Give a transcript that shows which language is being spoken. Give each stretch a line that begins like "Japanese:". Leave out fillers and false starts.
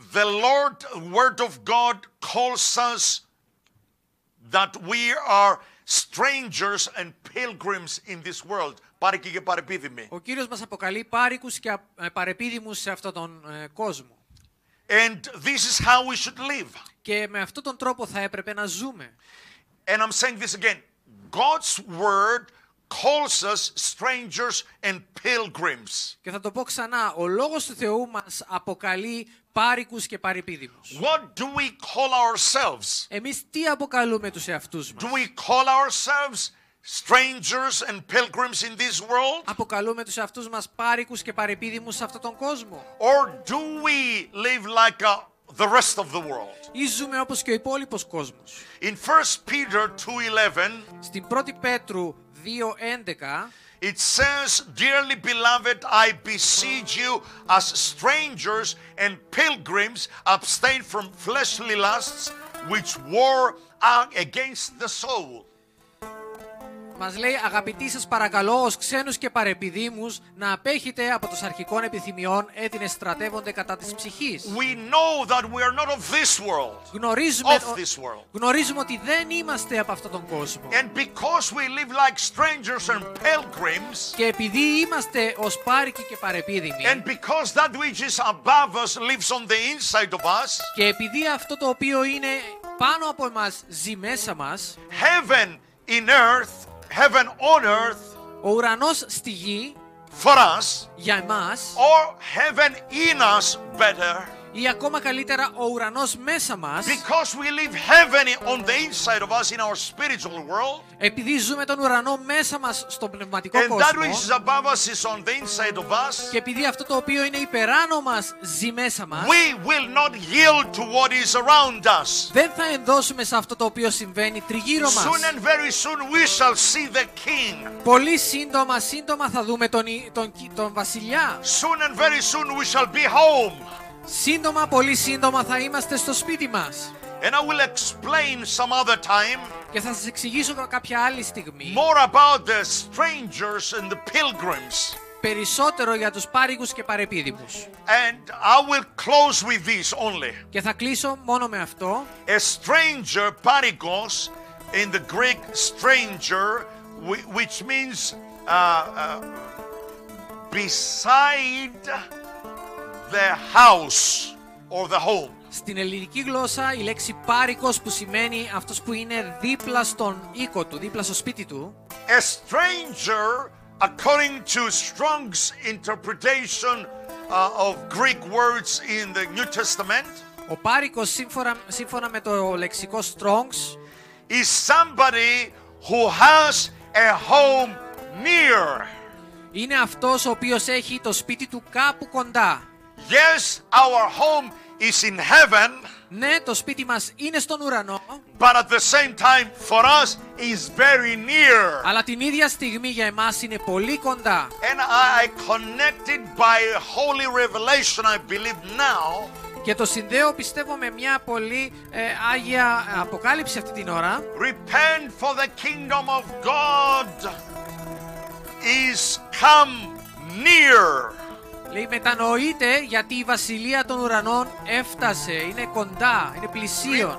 English: The Lord, Word of God, calls us that we are strangers and pilgrims in this world.
Greek: Πάρικοι και παρεπίδημοι. Ο Κύριος μας αποκαλεί πάρικους και παρεπίδημους σε αυτόν τον κόσμο.
English: And this is how we should live.
Greek: Και με αυτόν τον τρόπο θα έπρεπε να ζούμε.
English: And I'm saying this again. God's Word calls us strangers and pilgrims.
Greek: Και θα το πω ξανά, ο λόγος του Θεού μας αποκαλεί πάρικους και παρεπίδημους.
English: What do we call ourselves?
Greek: Εμείς τι αποκαλούμε τους εαυτούς μας?
English: Do we call ourselves strangers and pilgrims in this world?
Greek: Αποκαλούμε τους εαυτούς μας πάρικους και παρεπίδημους σε αυτόν τον κόσμο?
English: Or do we live like the rest of the world?
Greek: Ή ζούμε όπως και ο υπόλοιπος κόσμος?
English: In 1 Peter 2:11,
Greek: στην 1η Πέτρου 2:11,
English: it says, "Dearly beloved, I beseech you, as strangers and pilgrims, abstain from fleshly lusts which war against the soul."
Greek: Μας λέει, αγαπητοί σας παρακαλώ, ως ξένους και παρεπιδήμους, να απέχετε από τους αρχικών επιθυμιών, έτινες στρατεύονται κατά της ψυχής.
English: We know that we are not of this world.
Greek: Γνωρίζουμε ότι δεν είμαστε από αυτόν τον κόσμο.
English: And because we live like strangers and pilgrims,
Greek: και επειδή είμαστε ως πάρικοι και παρεπίδημοι,
English: and because that which is above us lives on the inside of us,
Greek: και επειδή αυτό το οποίο είναι πάνω από εμάς ζει μέσα μας,
English: heaven in earth, heaven on earth,
Greek: ο ουρανός στη γη,
English: for us,
Greek: για εμάς,
English: or heaven in us better,
Greek: ή ακόμα καλύτερα ο ουρανός μέσα μας,
English: because we live heaven on the inside of us in our spiritual world,
Greek: επειδή ζούμε τον ουρανό μέσα μας στον πνευματικό
English: and
Greek: κόσμο,
English: that which is above us is on the inside of us,
Greek: και επειδή αυτό το οποίο είναι υπεράνω μας ζει μέσα μας,
English: we will not yield to what is around us.
Greek: Δεν θα ενδώσουμε σε αυτό το οποίο συμβαίνει τριγύρω μας.
English: Soon and very soon we shall see the king.
Greek: Πολύ σύντομα θα δούμε τον βασιλιά.
English: Soon and very soon we shall be home.
Greek: Σύντομα, πολύ σύντομα θα είμαστε στο σπίτι μας.
English: And I will explain some other time,
Greek: και θα σας εξηγήσω κάποια άλλη στιγμή,
English: more about the strangers and the pilgrims,
Greek: περισσότερο για τους πάρικους και παρεπίδημους.
English: And I will close with this only.
Greek: Και θα κλείσω μόνο με αυτό.
English: A stranger, parikos, in the Greek stranger, which means beside the house or the home.
Greek: Στην ελληνική γλώσσα η λέξη πάρικος που σημαίνει αυτός που είναι δίπλα στον οίκο του, δίπλα στο σπίτι του.
English: A stranger, according to Strong's interpretation of Greek words in the New Testament.
Greek: Ο πάρικος σύμφωνα με το λεξικό Strong's,
English: is somebody who has a home near.
Greek: Είναι αυτός ο οποίος έχει το σπίτι του κάπου κοντά.
English: Yes, our home is in heaven.
Greek: Ναι, το σπίτι μας είναι στον ουρανό.
English: But at the same time, for us, is very near.
Greek: Αλλά την ίδια στιγμή για εμάς είναι πολύ κοντά.
English: And I connected by holy revelation, I believe now.
Greek: Και το συνδέω, πιστεύω, με μια πολύ άγια αποκάλυψη αυτή την ώρα.
English: Repent, for the kingdom of God is come near.
Greek: Λέει, μετανοείτε, γιατί η βασιλεία των ουρανών έφτασε, είναι κοντά, είναι πλησίον.